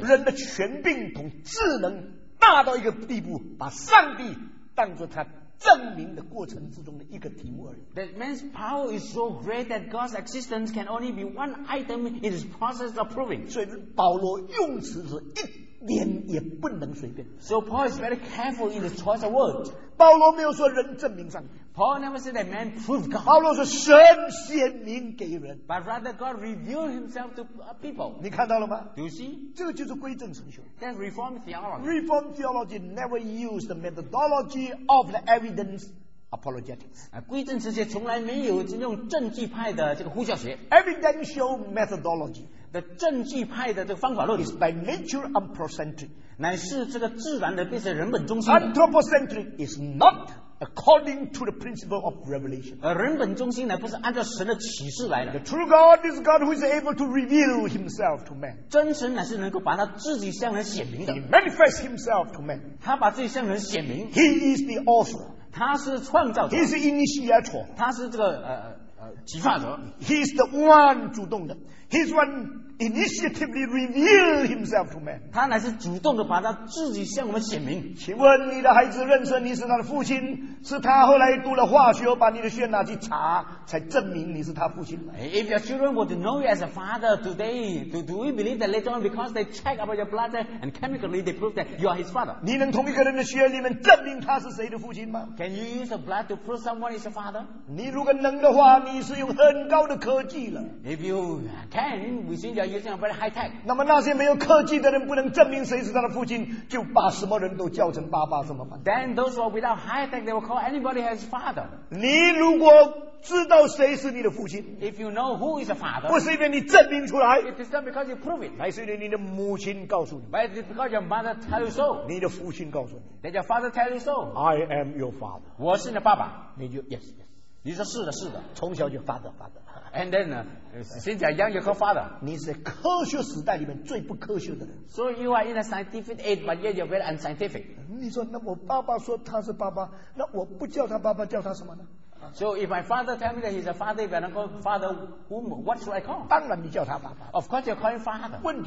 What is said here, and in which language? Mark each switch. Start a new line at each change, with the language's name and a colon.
Chinese: 人的权柄同智能大到一个地步，把上帝当作他证明的过程之中的一个题目而已。
English: That man's power is so great that God's existence can only be one item in his process of proving.
Chinese: 所以保罗用词是一点也不能随便。
English: So Paul is very careful in his choice of words.
Chinese: 保罗没有说人证明上帝。
English: Paul never said that man proved God.
Chinese: 保罗说神显明给人。
English: But rather God revealed himself to people.
Chinese: 你看到了吗？
English: Do you see?
Chinese: 这个就是归正神学。
English: That's Reformed theology. Reformed theology never used the methodology of the evidence apologetics.
Chinese: 归正神学从来没有这种证据派的这个呼叫学。
English: Evidential methodology.
Chinese: The 证据派的这个方法论
English: is by nature anthropocentric,
Chinese: 乃是这个自然的变成人本中心。
English: Anthropocentric is not according to the principle of revelation.
Chinese: 人本中心呢, 不是按照神的启示来的,
English: the true God is God who is able to reveal himself to man.
Chinese: 真神乃是能够把他自己向人显明的,
English: he manifests himself to man.
Chinese: 他把自己向人显明,
English: he is the author.
Chinese: 他是创造者,
English: he is the initiator.
Chinese: 他是这个,
English: he is the one
Chinese: 主动的,
English: he is one initiatively reveal himself to man.
Chinese: 他乃是主动的把他自己向我们显明。请问你的孩子认识你是他的父亲, 是他后来读了化学, 把你的血拿去查, 才证明你是他父亲。
English: If your children were to know you as a father today, do we believe that later on because they check about your blood and chemically they prove that you are his father?
Chinese: 你能从一个人的血里面证明他是谁的父亲吗?
English: Can you use the blood to prove someone is your father?
Chinese: 你如果能的话, 你是有很高的科技了。
English: If you can, we see that using a very high tech.
Chinese: 那么那些没有科技的人不能证明谁是他的父亲, 就把什么人都叫成爸爸什么吗?
English: Then those who are without high tech, they will call anybody as father.
Chinese: 你如果知道谁是你的父亲,
English: if you know who is the father,
Chinese: 不是因为你证明出来,
English: it is not because you prove it,
Chinese: 还是因为你的母亲告诉你,
English: but it is because your mother tells you so,
Chinese: 你的父亲告诉你,
English: that your father tells you so, I am your father,
Chinese: 我是你的爸爸, 你就
English: yes, yes.
Chinese: 你说是的, 从小就
English: father, father. And then, since you're young, you're her father.
Chinese: 你是科学时代里面最不科学的人。
English: So you are in a scientific age, but yet you're very unscientific.
Chinese: 你说那我爸爸说他是爸爸, 那我不叫他爸爸, 叫他什么呢?
English: So if my father tells me that he's a father, if I don't call father, whom, what should I call?
Chinese: 当然你叫他爸爸。
English: Of course you're calling father.